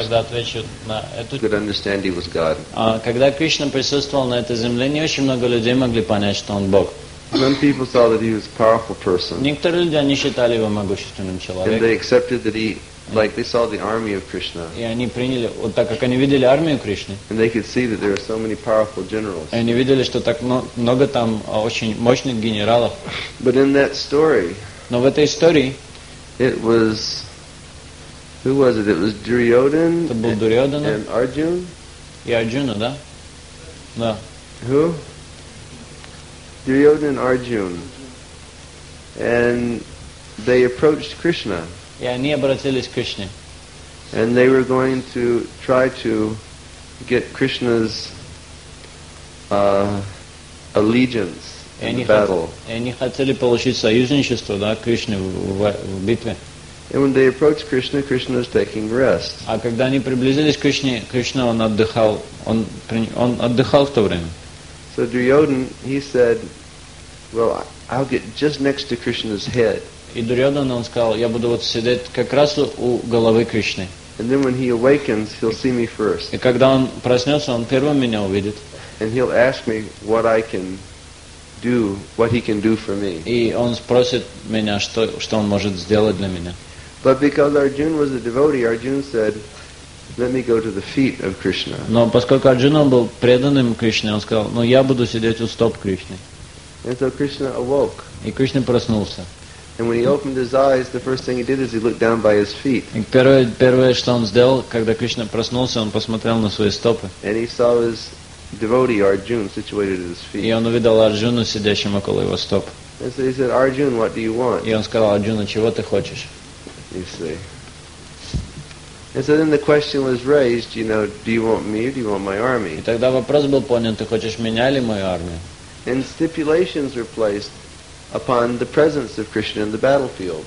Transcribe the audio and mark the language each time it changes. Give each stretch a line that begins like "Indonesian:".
English: Could understand he was God.
Russian: Когда Кришна присутствовал на этой земле, не очень много людей могли понять, что он Бог.
English: Some people saw that he was a powerful person.
Russian: Некоторые люди они считали его могущественным человеком.
English: And they accepted that he, like they saw the army of Krishna.
Russian: И они приняли, вот так как они видели армию Кришны.
English: And they could see that there are so many powerful generals.
Russian: И они видели, что так много там очень мощных генералов.
English: But in that story,
Russian: но в этой истории,
English: it was. Who was it? It was Duryodhan and Arjuna? Yeah, Arjuna, да? Да. Who? Duryodhana and Arjuna, and they approached Krishna.
Russian: Yeah, они обратились к Кришне.
English: And they were going to try to get Krishna's allegiance in the battle.
Russian: Они хотели получить союзничество, да, Кришны в битве.
English: And when they approached Krishna, Krishna was taking rest.
Russian: А когда они приблизились к Кришне, Кришна он отдыхал в то время.
English: So Duryodhana, he said, "Well, I'll get just next to Krishna's head."
Russian: И Дурьодан он сказал, я буду вот сидеть как раз у головы Кришны.
English: And then when he awakens, he'll see me first.
Russian: И когда он проснется, он первым меня увидит.
English: And he'll ask me what I can do, what he can do for me.
Russian: И он спросит меня, что он может сделать для меня.
English: But because Arjuna was a devotee, Arjuna said, "Let me go to the feet of Krishna."
Russian: Но поскольку Арджуна был преданным Кришне, он сказал, "Ну я буду сидеть у стоп Кришны."
English: And so Krishna awoke.
Russian: И Кришна проснулся.
English: And when he opened his eyes, the first thing he did is he looked down by his feet.
Russian: И первое, что он сделал, когда Кришна проснулся, он посмотрел на свои стопы.
English: And he saw his devotee Arjuna situated at his feet.
Russian: И он увидел Арджуну, сидящим около его стоп.
English: And so he said, "Arjuna, what do you want?"
Russian: И он сказал, Арджуна, чего ты хочешь?
English: You see. And so then the question was raised, you know, do you want me or do you want my army?
Russian: И тогда вопрос был понят, ты хочешь меня или мою армию?
English: And stipulations were placed upon the presence of Krishna in the battlefield.